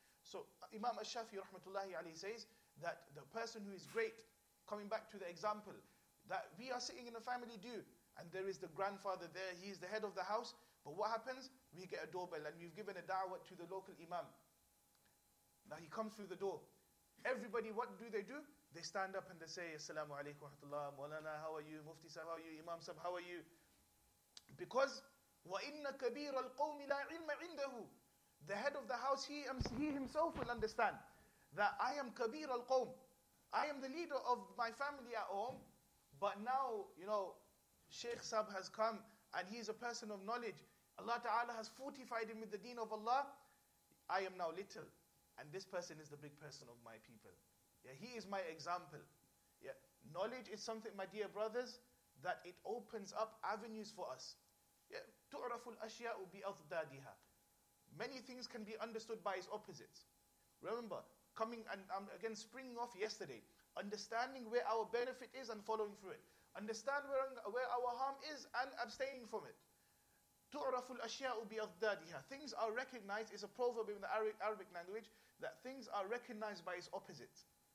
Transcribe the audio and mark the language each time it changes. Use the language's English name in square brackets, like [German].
[English] So Imam al-Shafi rahmatullahi alayhi says that the person who is great, coming back to the example, that we are sitting in a family due, and there is the grandfather there, he is the head of the house, but what happens? We get a doorbell, and we've given a da'wah to the local imam. Now he comes through the door. Everybody, what do? They stand up and they say, Assalamu alaikum wa rahmatullah, Mawlana, how are you? Mufti sahab, how are you? Imam sahab, how are you? [Arabic] Because, وَإِنَّ كَبِيرَ الْقَوْمِ لَا عِلْمَ عِنْدَهُ. [English] The head of the house, he himself will understand that I am kabir al-qawm. I am the leader of my family at home. But now, you know, Sheikh Sab has come and he is a person of knowledge. Allah Ta'ala has fortified him with the deen of Allah. I am now little. And this person is the big person of my people. Yeah, he is my example. Yeah, knowledge is something, my dear brothers, that it opens up avenues for us. [Arabic] Yeah, تُعْرَفُ الْأَشْيَاءُ بِأَضْدَادِهَا. [English] Many things can be understood by its opposites. Remember, coming and again springing off yesterday, understanding where our benefit is and following through it. Understand where our harm is and abstaining from it. [Arabic] تُعْرَفُ الْأَشْيَاءُ بِأَضْدَادِهَا. [English] Things are recognized, it's a proverb in the Arabic language, that things are recognized by its opposites.